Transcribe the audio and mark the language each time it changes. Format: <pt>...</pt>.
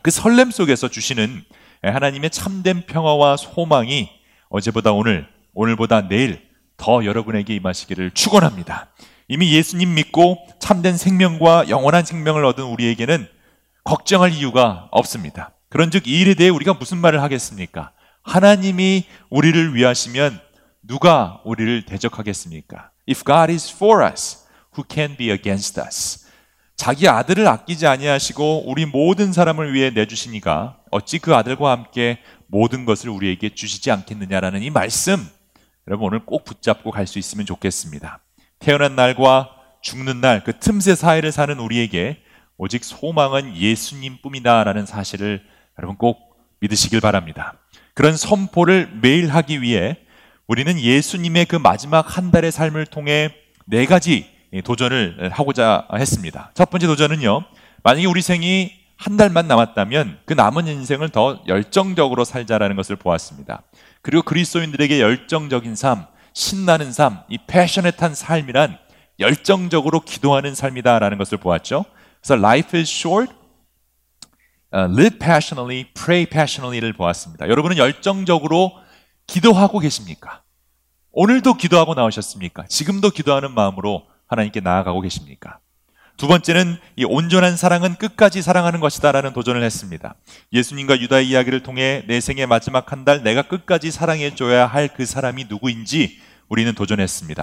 <ko>그 설렘 속에서 주시는 하나님의 참된 평화와 소망이 어제보다 오늘, 오늘보다 내일 더 여러분에게 임하시기를 축원합니다. 이미 예수님 믿고 참된 생명과 영원한 생명을 얻은 우리에게는 걱정할 이유가 없습니다. 그런즉 이 일에 대해 우리가 무슨 말을 하겠습니까? 하나님이 우리를 위하시면 누가 우리를 대적하겠습니까?</ko> <en>If God is for us, who can be against us?</en> <ko>자기 아들을 아끼지 아니하시고 우리 모든 사람을 위해 내주시니가 어찌 그 아들과 함께 모든 것을 우리에게 주시지 않겠느냐라는 이 말씀 여러분 오늘 꼭 붙잡고 갈 수 있으면 좋겠습니다. 태어난 날과 죽는 날 그 틈새 사이를 사는 우리에게 오직 소망은 예수님뿐이다라는 사실을 여러분 꼭 믿으시길 바랍니다. 그런 선포를 매일 하기 위해 우리는 예수님의 그 마지막 한 달의 삶을 통해 네 가지 도전을 하고자 했습니다. 첫 번째 도전은요. 만약에 우리 생이 한 달만 남았다면 그 남은 인생을 더 열정적으로 살자라는 것을 보았습니다. 그리고 그리스도인들에게 열정적인 삶, 신나는 삶, 이 패셔넷한 삶이란 열정적으로 기도하는 삶이다라는 것을 보았죠.</ko> <en>So life is short. Live passionately, pray passionately를</en> <ko>보았습니다. 여러분은 열정적으로 기도하고 계십니까? 오늘도 기도하고 나오셨습니까? 지금도 기도하는 마음으로 하나님께 나아가고 계십니까? 두 번째는 이 온전한 사랑은 끝까지 사랑하는 것이다 라는 도전을 했습니다. 예수님과 유다의 이야기를 통해 내 생의 마지막 한 달 내가 끝까지 사랑해줘야 할 그 사람이 누구인지 우리는 도전했습니다.</ko>